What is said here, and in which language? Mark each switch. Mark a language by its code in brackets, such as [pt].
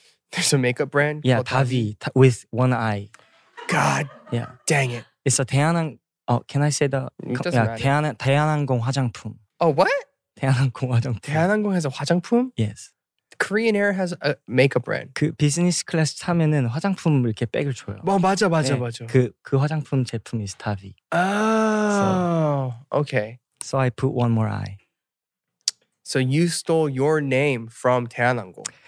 [en] There's a makeup brand. Yeah, Tabi with one eye. God. Yeah. Dang it. It's a 대한항. Oh, can I say the? Yeah, [ko] 대한항공 화장품. [en] Oh, what? [ko] 대한항공 화장품. [en] 대한항공 has a 화장품? Yes. Korean Air has a makeup brand. [ko] 그 비즈니스 클래스 타면은 화장품 이렇게 백을 줘요. 뭐 맞아 맞아 네. 맞아. 그 화장품 제품이 스타비. [en] Oh, so, okay. So I put one more eye. So you stole your name from 태안항공.